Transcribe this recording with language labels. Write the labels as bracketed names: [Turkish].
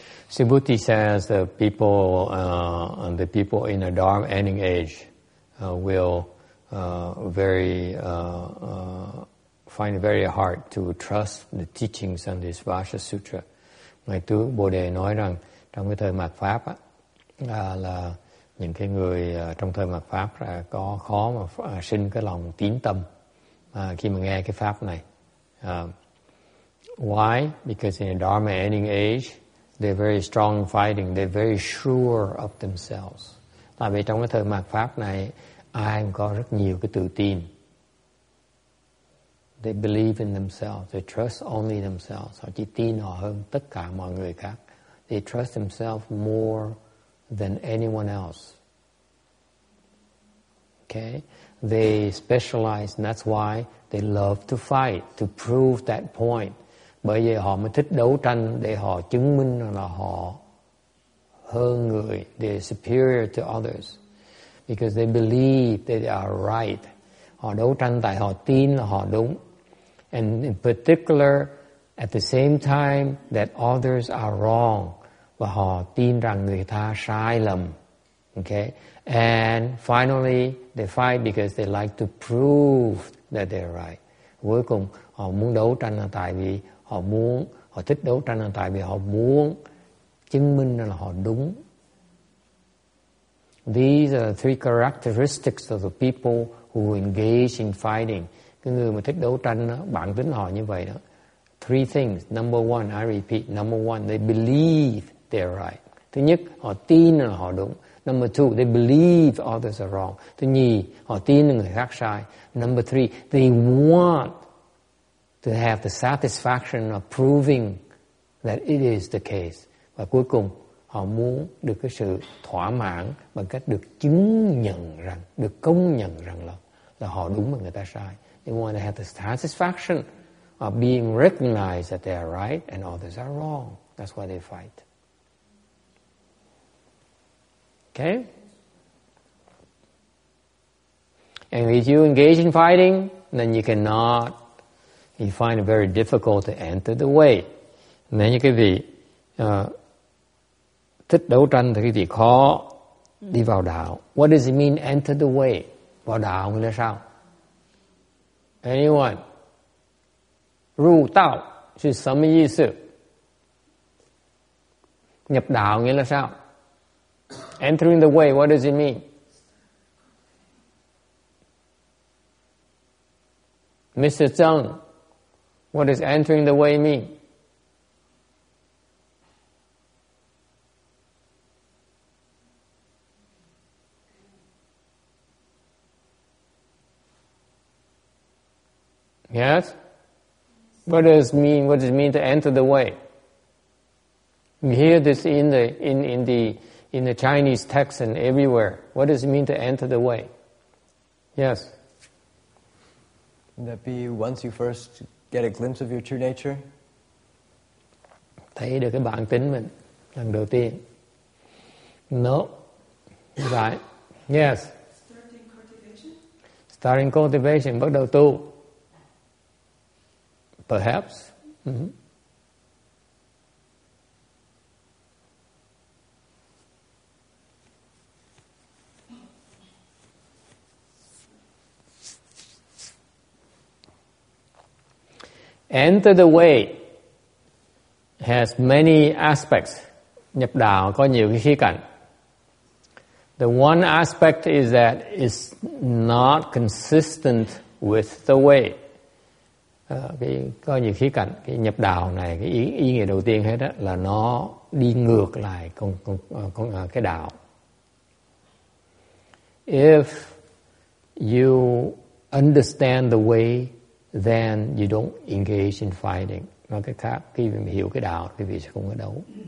[English] Subhuti says that the people in a Dharma ending age will find it very hard to trust the teachings on this Vajra Sutra. [Vietnamese] Ngài Tu Bồ Đề nói rằng trong cái thời mạt pháp là những cái người trong thời mạt pháp là có khó mà sinh cái lòng tín tâm khi mà nghe cái pháp này. [English] Why? Because in a Dharma ending age, they're very strong fighting. They're very sure of themselves. [Vietnamese] Tại vì trong cái thời mạt pháp này, ai cũng có rất nhiều cái tự tin. [English] They believe in themselves. They trust only themselves. [Vietnamese] Họ chỉ tin họ hơn tất cả mọi người khác. [English] They trust themselves more than anyone else. Okay? They specialize, and that's why they love to fight, to prove that point. [Vietnamese] Bởi vì họ mới thích đấu tranh để họ chứng minh là họ hơn người, [English] they are superior to others, because they believe that they are right. [Vietnamese] Họ đấu tranh tại họ tin là họ đúng. [English] And in particular, at the same time that others are wrong, [Vietnamese] và họ tin rằng người ta sai lầm. [English] Okay? And finally, they fight because they like to prove that they are right. [Vietnamese] Cuối cùng, họ muốn đấu tranh là tại vì họ thích đấu tranh là tại vì họ muốn chứng minh là họ đúng. [English] These are the three characteristics of the people who engage in fighting. [Vietnamese] Cái người mà thích đấu tranh đó, bản tính họ như vậy đó. [English] Three things. Number one, I repeat. Number one, they believe they're right. [Vietnamese] Thứ nhất, họ tin là họ đúng. [English] Number two, they believe others are wrong. [Vietnamese] Thứ nhì, họ tin là người khác sai. [English] Number three, they want to have the satisfaction of proving that it is the case. [Vietnamese] Và cuối cùng, họ muốn được cái sự thỏa mãn bằng cách được chứng nhận rằng, được công nhận rằng là họ đúng và người ta sai. [English] They want to have the satisfaction of being recognized that they are right and others are wrong. That's why they fight. Okay? And if you engage in fighting, then you cannot, you find it very difficult to enter the way. [Vietnamese] Nếu như quý vị thích đấu tranh thì quý vị khó đi vào đạo. [English] What does it mean enter the way? [Vietnamese] Vào đạo nghĩa là sao? [English] Anyone? [Vietnamese] Ru tao chứ sao mà gì sự? Nhập đạo nghĩa là sao? [English] Entering the way, what does it mean? Mr. Zhang, what does entering the way mean? Yes? What does mean, what does it mean to enter the way? You hear this in the Chinese text and everywhere. What does it mean to enter the way? Yes. Can that be once you first get a glimpse of your true nature? [Vietnamese] Thấy được cái bản tính mình lần đầu tiên. [English] No. Right. Yes. Starting cultivation. [Vietnamese] Bắt đầu tu. [English] Perhaps. Mm-hmm. Enter the way has many aspects. [Vietnamese] Nhập đạo có nhiều cái khía cạnh. [English] The one aspect is that it's not consistent with the way. [Vietnamese] Có nhiều khía cạnh. Cái nhập đạo này, cái ý nghĩa đầu tiên hết đó, là nó đi ngược lại con cái đạo. [English] If you understand the way, then you don't engage in fighting. [Vietnamese] Nói cách khác, khi mình hiểu cái đạo, thì mình sẽ không có đấu.